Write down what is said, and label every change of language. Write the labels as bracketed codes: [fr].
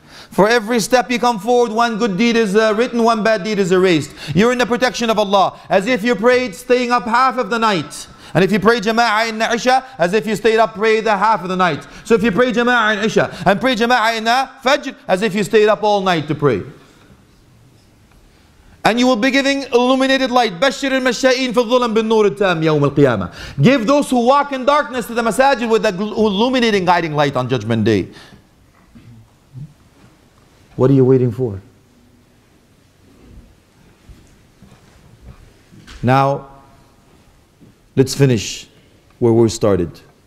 [en] For every step you come forward, one good deed is written, one bad deed is erased. You're in the protection of Allah. As if you prayed, staying up half of the night. And if you pray jama'ah in Isha, as if you stayed up, pray the half of the night. So if you pray jama'ah in Isha, and pray jama'ah in Fajr, as if you stayed up all night to pray. And you will be giving illuminated light. [ar] بشر المشائين في الظلم بالنور التام يوم القيامة. [en] Give those who walk in darkness to the masajid with the illuminating guiding light on Judgment Day. What are you waiting for? Now, let's finish where we started.